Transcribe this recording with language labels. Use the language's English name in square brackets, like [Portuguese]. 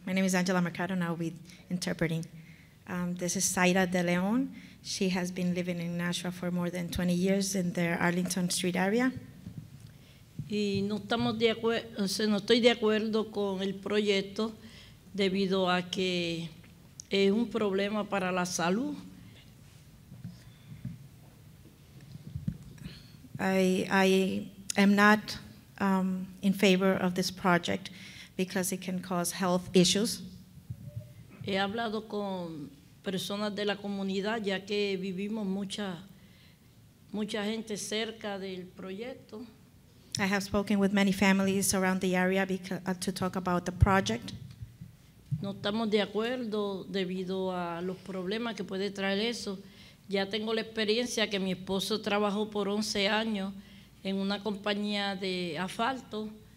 [English] My name is Angela Mercado, and I'll be interpreting. This is Zaira De Leon. She has been living in Nashua for more than 20 years in the Arlington Street area. [Spanish] Y no estamos de acuerdo, o sea, no estoy de acuerdo con el proyecto debido a que es un problema para la salud. [English] I am not in favor of this project because it can cause health issues. [Spanish] He hablado con personas de la comunidad ya que vivimos mucha gente cerca del proyecto. [English] I have spoken with many families around the area because, to talk about the project. [Spanish] No estamos de acuerdo debido a los problemas que puede traer eso. Ya tengo la experiencia que mi esposo trabajó por 11 años en una compañía de asfalto.